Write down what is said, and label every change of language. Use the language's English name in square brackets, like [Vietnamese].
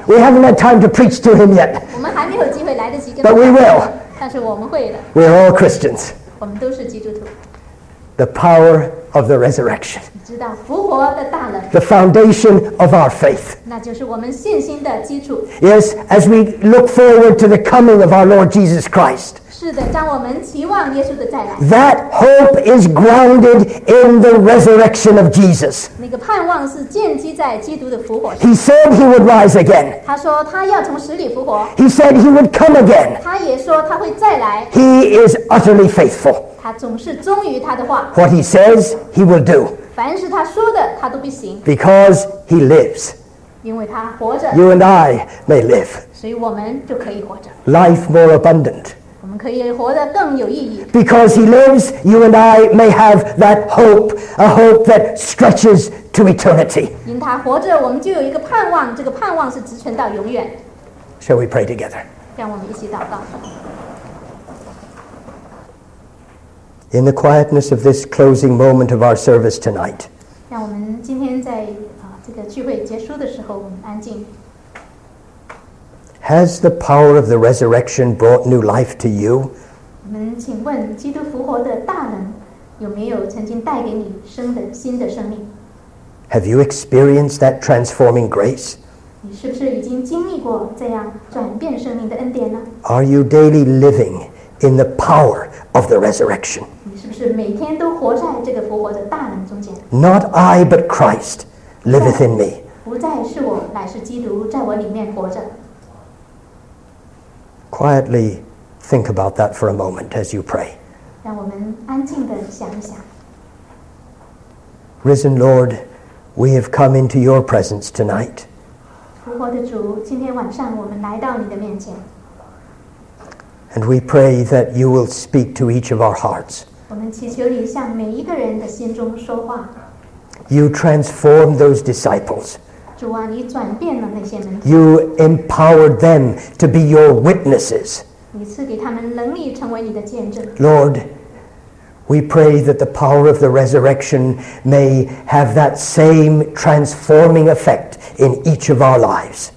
[English] We haven't had time to preach to him yet. [Chinese] 我们还没有机会来得及跟他。 [English] But we will. [Chinese] 但是我们会的。 [English] We are all Christians. [Chinese] 我们都是基督徒。 [English] The power of the resurrection. [Chinese] 知道复活的大能。 [English] The foundation of our faith. [Chinese] 那就是我们信心的基础。 [English] Yes, as we look forward to the coming of our Lord Jesus Christ. [Chinese] 是的，当我们期望耶稣的再来。 [English] That hope is grounded in the resurrection of Jesus. [Chinese] 那个盼望是建基在基督的复活。 [English] He said he would rise again. [Chinese] 他说他要从死里复活。 [English] He said he would come again. [Chinese] 他也说他会再来。 [English] He is utterly faithful. [Chinese] 他总是忠于他的话。 [English] What he says, he will do. [Chinese] 凡是他说的，他都必行。 [English] Because he lives. [Chinese] 因为他活着。 [English] You and I may live. [Chinese] 所以我们就可以活着。 [English] Life more abundant. [Chinese] 我们可以活得更有意义。 [English] Because he lives, you and I may have that hope, a hope that stretches to eternity. [Chinese] 因他活着，我们就有一个盼望，这个盼望是直存到永远。 [English] Shall we pray together? [Chinese] 让我们一起祷告。 [English] In the quietness of this closing moment of our service tonight, [Chinese] 让我们今天在这个聚会结束的时候，我们安静。 [English] Has the power of the resurrection brought new life to you? [Chinese] 我们请问，基督复活的大能有没有曾经带给你生的新的生命？ [English] Have you experienced that transforming grace? [Chinese] 你是不是已经经历过这样转变生命的恩典呢？ [English] Are you daily living in the power of the resurrection? [Chinese] 你是不是每天都活在这个复活的大能中间？ [English] Not I, but Christ liveth in me. [Chinese] 不再是我，乃是基督在我里面活着。 [English] Quietly think about that for a moment as you pray. [Chinese] 让我们安静地想一想。 [English] Risen Lord, we have come into your presence tonight. [Chinese] 复活的主，今天晚上我们来到你的面前。 [English] And we pray that you will speak to each of our hearts. [Chinese] 我们祈求你向每一个人的心中说话。 [English] You transformed those disciples. [Chinese] 主啊，你转变了那些门徒。 [English] You empowered them to be your witnesses. [Chinese] 你赐给他们能力成为你的见证。 [English] Lord, we pray that the power of the resurrection may have that same transforming effect in each of our lives.